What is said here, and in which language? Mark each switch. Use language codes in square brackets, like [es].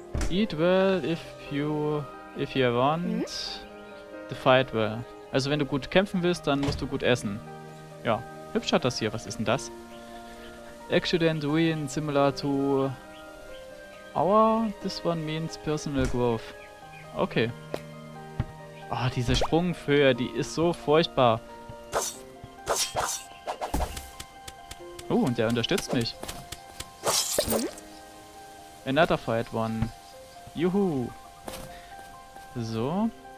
[en] Eat well if you want to fight well. [de] Also wenn du gut kämpfen willst, dann musst du gut essen. Ja, hübsch hat das hier. Was ist denn das? [en] Accident win similar to our. This one means personal growth. Okay. [de] Oh, diese Sprunghöhe, die ist so furchtbar. Oh, und der unterstützt mich. [en] Another fight won. Juhu. So.